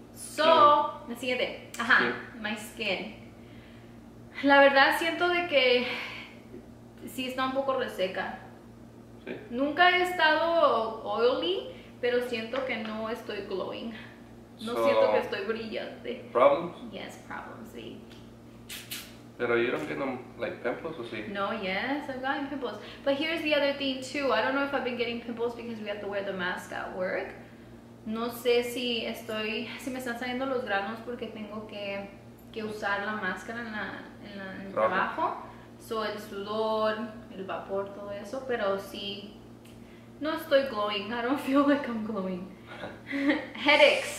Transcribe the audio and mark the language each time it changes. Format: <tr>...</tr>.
<en>So,</en> <es>la siguiente.</es> <en>Ajá, skin. My skin.</en> <es>La verdad siento de que sí está un poco reseca. Sí. Nunca he estado oily, pero siento que no estoy glowing. No so, siento que estoy brillante.</es> <en>Problems? Yes, problems, sí.</en> <es>Pero</es> <en>you don't get them like pimples</en> <es>o sí?</es> <en>No, yes, I've gotten pimples. But here's the other thing too. I don't know if I've been getting pimples because we have to wear the mask at work.</en> <es>No sé si me están saliendo los granos porque tengo que usar la máscara en el trabajo. So, el sudor, el vapor, todo eso. Pero sí, no estoy glowing.</es> <en>I don't feel like I'm glowing. Headaches.</en>